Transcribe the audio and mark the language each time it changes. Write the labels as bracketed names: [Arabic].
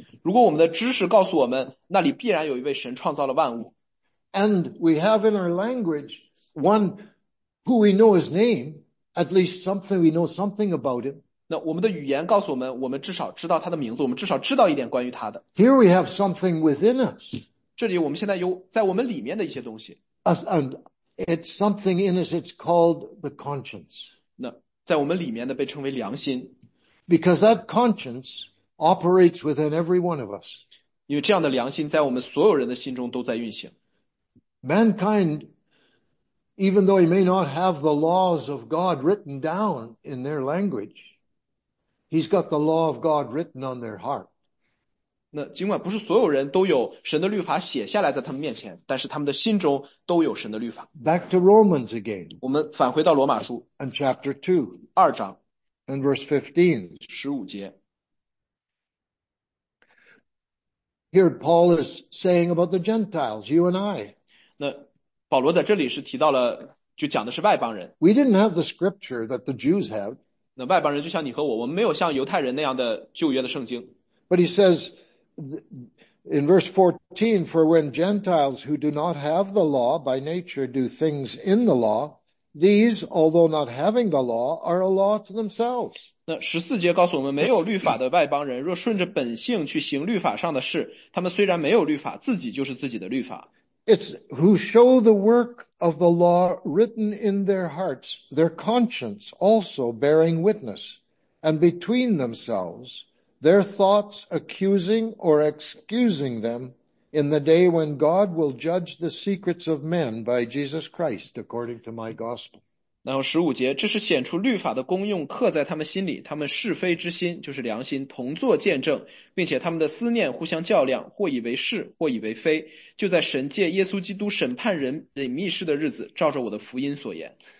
[Chinese] 如果我们的知识告诉我们，那里必然有一位神创造了万物。 [English] and we have in our language one who we know his name, at least something we know something about him, [Chinese] 那我们的语言告诉我们，我们至少知道他的名字，我们至少知道一点关于他的。 [English] here we have something within us, [Chinese] 这里我们现在有在我们里面的一些东西。 [English] and it's something in us, it's called the conscience. [Chinese] 那在我们里面的被称为良心， [English] Because that conscience operates within every one of us. [Chinese] 因为这样的良心在我们所有人的心中都在运行。 [English] Mankind, even though he may not have the laws of God written down in their language, he's got the law of God written on their heart. [Chinese] 那尽管不是所有人都有神的律法写下来在他们面前，但是他们的心中都有神的律法。 [English] Back to Romans again, [Chinese] 我们返回到罗马书。 [English] and chapter 2. [Chinese] 二章 [English] And verse 15. [Chinese] 15节， [English] Here Paul is saying about the Gentiles, you and I. [Chinese] 那保罗在这里是提到了，就讲的是外邦人。 [English] We didn't have the scripture that the Jews have. [Chinese] 那外邦人就像你和我，我们没有像犹太人那样的旧约的圣经。 [English] But he says, In verse 14, for when Gentiles who do not have the law by nature do things in the law, these, although not having the law, are a law to themselves. [Chinese] 那14节告诉我们，没有律法的外邦人，若顺着本性去行律法上的事，他们虽然没有律法，自己就是自己的律法。 [English] It's who show the work of the law written in their hearts, their conscience also bearing witness, and between themselves, their thoughts accusing or excusing them in the day when God will judge the secrets of men by Jesus Christ, according to my gospel. [Chinese] 然后十五节，这是显出律法的功用刻在他们心里，他们是非之心，就是良心，同作见证，并且他们的思念互相较量，或以为是，或以为非，就在神借耶稣基督审判人隐秘事的日子，照着我的福音所言。